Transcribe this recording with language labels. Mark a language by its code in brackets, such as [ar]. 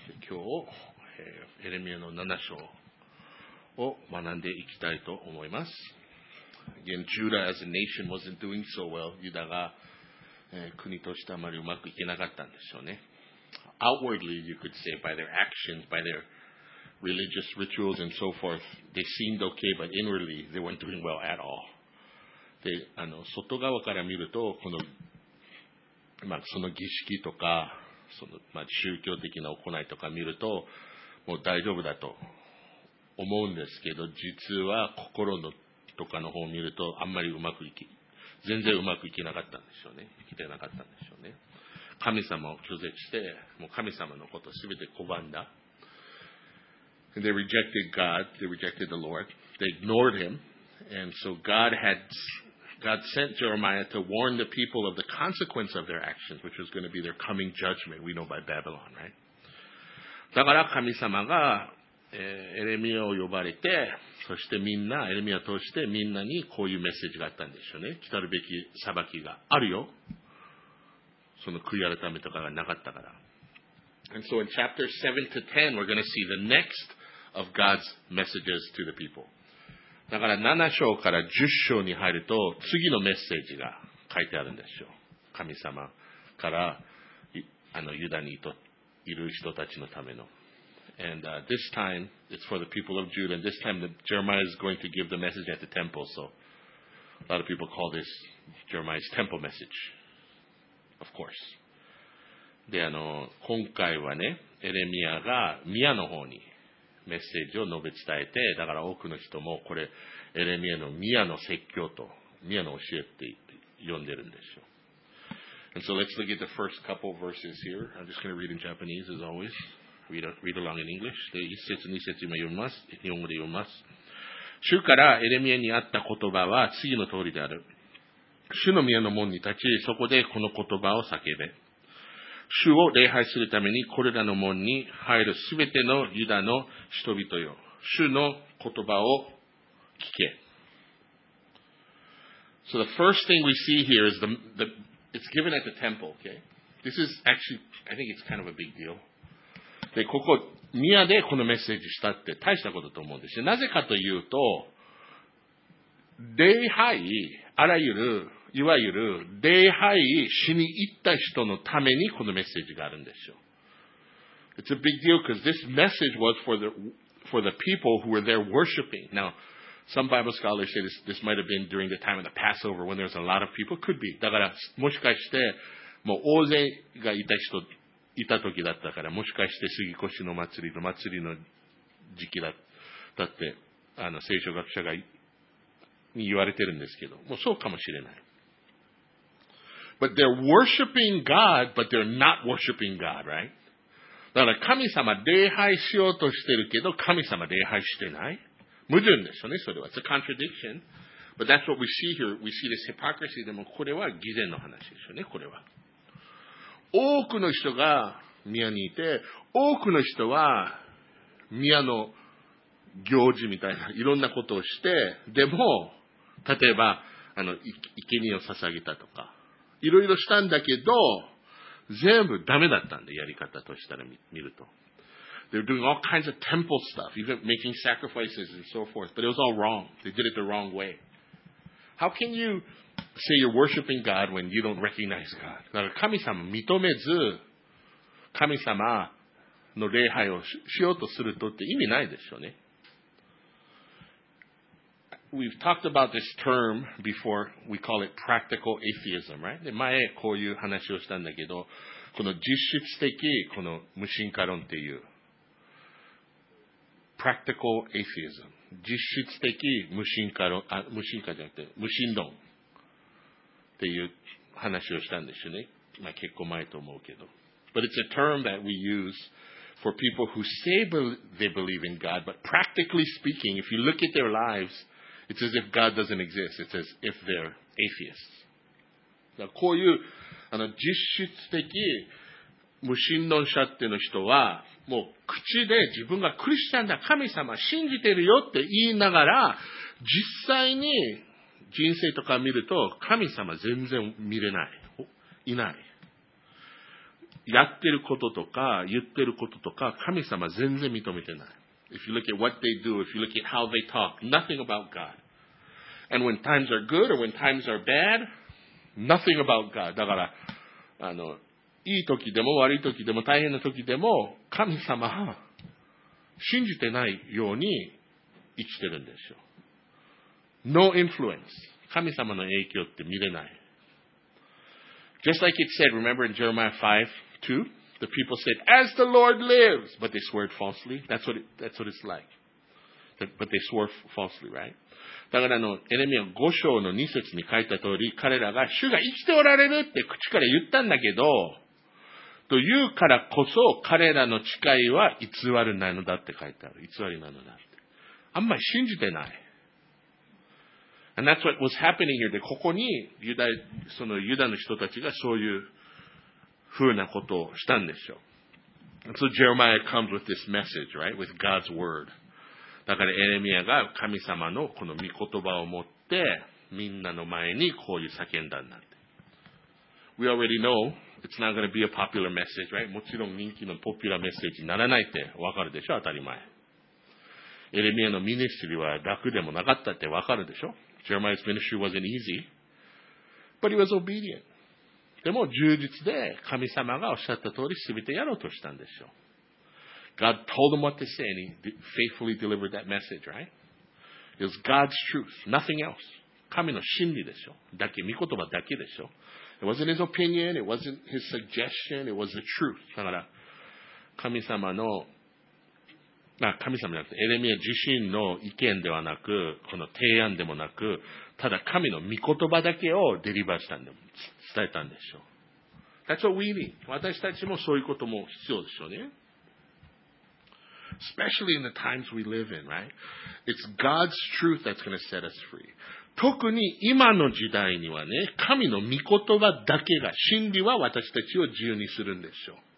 [ja] 今日、エレミアの7章を学んでいきたいと思います。 [en] Again, Judah as a nation wasn't doing so well. [ja] ユダが、国としてあまりうまくいけなかったんでしょうね。 [en] Outwardly, you could say, by their actions, by their religious rituals and so forth, they seemed okay, but inwardly, they weren't doing well at all. [ja] で、外側から見ると、この、まあ、その儀式とか、その、まあ、宗教的な行いとか見ると、もう大丈夫だと思うんですけど、実は心のとかの方を見ると、あんまりうまくいき、全然うまくいけなかったんでしょうね。いけてなかったんでしょうね。神様を拒絶して、もう神様のことすべて拒んだ。 [en] And、they rejected God, they rejected the Lord, they ignored him. And so God sent Jeremiah to warn the people of the consequence of their actions, which was going to be their coming judgment, we know by Babylon, right? [ja] だから神様が、エレミアを呼ばれて、そしてみんな、エレミアとしてみんなにこういうメッセージがあったんでしょうね。来たるべき裁きがあるよ。その悔い改めとかがなかったから。 [en] And so in chapter 7 to 10, we're going to see the next of God's messages to the people. [ja] だから7章から10章に入ると、次のメッセージが書いてあるんですよ。神様から、ユダにいる人たちのための。 [en] And、this time, it's for the people of Judah, and this time Jeremiah is going to give the message at the temple. So, a lot of people call this Jeremiah's temple message. Of course. [ja] で、今回はね、エレミアが宮の方にメッセージを述べ伝えて、だから多くの人もこれ、エレミアの宮の説教と、宮の教えって呼んでるんでしょう。 [en] And so let's look at the first couple verses here. I'm just going to read in Japanese as always. Read along in English. [ja] で、一節二節今読みます。日本語で読みます。主からエレミアにあった言葉は次の通りである。主の宮の門に立ち、そこでこの言葉を叫べ。主を礼拝するためにこれらの門に入るすべてのユダの人々よ。主の言葉を聞け。 [en] So the first thing we see here is it's given at the temple, okay? This is actually, I think it's kind of a big deal. [ja] で、ここ、宮でこのメッセージしたって大したことと思うんですよ。なぜかというと、礼拝、あらゆる、いわゆる礼拝しに行った人のためにこのメッセージがあるんですよ。 [en] It's a big deal because this message was for the people who were there worshiping. Now, some Bible scholars say this might have been during the time of the Passover when there was a lot of people. Could be. [ja] だからもしかしてもう大勢がいた人いた時だったから、もしかして杉越の祭りの時期だったって聖書学者がに言われてるんですけど、もうそうかもしれない。 [en] But they're worshiping God, but they're not worshiping God, right? [ja] だから神様礼拝しようとしてるけど、神様礼拝してない。矛盾ですよね、それは。 [en] It's a contradiction. But that's what we see here. We see this hypocrisy. [ja] でもこれは偽善の話ですよね、これは。多くの人が宮にいて、多くの人は宮の行事みたいな、いろんなことをして、でも、例えば、生贄を捧げたとか、いろいろしたんだけど、全部ダメだったんで、やり方としたら見ると。 [en] They're doing all kinds of temple stuff, even making sacrifices and so forth, but it was all wrong. They did it the wrong way. How can you say you're worshiping God when you don't recognize God? [ja] だから神様認めず、神様の礼拝をしようとするとって意味ないでしょうね。 [en] We've talked about this term before. We call it practical atheism, right? [ja] で、前こういう話をしたんだけど、この実質的、この無神化論っていう。 [en] practical atheism. [ja] 実質的無神化論、無神化じゃなくて、無神論っていう話をしたんですよね。まあ結構前と思うけど。 [en] But it's a term that we use for people who say they believe in God, but practically speaking, if you look at their lives,It's as if God doesn't exist. It's as if they're atheists. [ja] だからこういう実質的無神論者っていうの人は、もう口で自分がクリスチャンだ、神様信じてるよって言いながら、実際に人生とか見ると神様全然見れない。いない。やってることとか言ってることとか神様全然認めてない。 [en] If you look at what they do, if you look at how they talk, nothing about God. And when times are good or when times are bad, nothing about God. [ja] だから、あの、いい時でも悪い時でも大変な時でも神様は信じてないように生きてるんですよ。 [en] No influence. [ja] 神様の影響って見れない。 [en] Just like it said, remember in Jeremiah 5:2, the people said, "As the Lord lives," but they swore falsely. That's what it's like. But they swore falsly, right? [ja] だからあのエレミア5章の2節に書いた通り、彼らが主が生きておられるって口から言ったんだけど、というからこそ彼らの誓いは偽りなのだって書いてある。偽りなのだって。あんまり信じてない。 [en] And that's what was happening here. [ja] ここにユダ、そのユダの人たちがそういうふうなことをしたんでしょう。 [en] And so Jeremiah comes with this message, right? With God's word. [ja] だからエレミアが神様のこの御言葉を持ってみんなの前にこういう叫んだんだって。 [en] We already know it's not going to be a popular message, right? [ja] もちろん人気のポピュラーメッセージにならないってわかるでしょ、当たり前。エレミアのミニストリーは楽でもなかったってわかるでしょ。 [en] Jeremiah's ministry wasn't easy, but he was obedient. [ja] でも忠実で神様がおっしゃった通り全てやろうとしたんでしょう。 [en] God told him what to say and he faithfully delivered that message, right? It was God's truth, nothing else. [ja] 神の真理でしょ。だけ、御言葉だけでしょ。 [en] It wasn't his opinion, it wasn't his suggestion, it was the truth. [ja] だから神様の神様じゃなくて、エレミア自身の意見ではなく、この提案でもなく、ただ神の御言葉だけをデリバーしたんで、伝えたんでしょう。 [en] That's what we need. [ja] 私たちもそういうことも必要でしょうね。 [en] Especially in the times we live in, right? It's God's truth that's going to set us free. [ja] 特に今の時代にはね、神の御言葉だけが、真理は私たちを自由にするんでしょう。